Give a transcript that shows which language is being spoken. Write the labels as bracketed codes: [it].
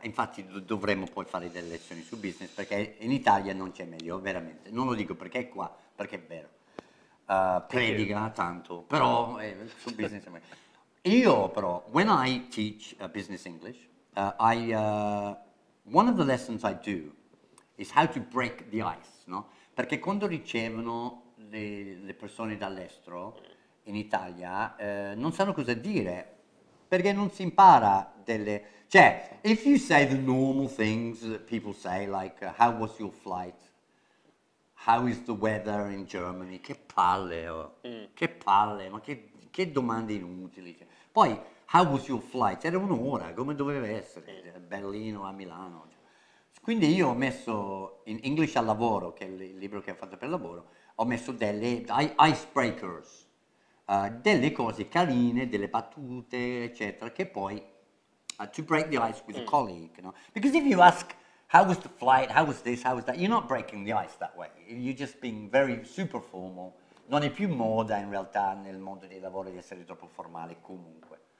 [it] Infatti dovremmo poi fare delle lezioni su business perché in Italia non c'è meglio, veramente. Non lo dico perché è qua, perché è vero. Prediga tanto, però su business. Io però, [en] when I teach business English, one of the lessons I do is how to break the ice, no? [it] Perché quando ricevono le persone dall'estero in Italia, non sanno cosa dire. Perché non si impara delle... Cioè, [en] if you say the normal things that people say, like, how was your flight? How is the weather in Germany? [it] Che palle, oh. Che palle, ma che domande inutili. Poi, [en] how was your flight? [it] Era un'ora, come doveva essere? Berlino a Milano. Quindi io ho messo, in English al lavoro, che è il libro che ho fatto per lavoro, ho messo delle icebreakers. Delle cose carine, delle battute, eccetera, che poi [en] to break the ice with a colleague, you know? Because if you ask how was the flight, how was this, how was that, you're not breaking the ice that way. You're just being very super formal. [it] Non è più moda in realtà nel mondo del lavoro di essere troppo formale comunque.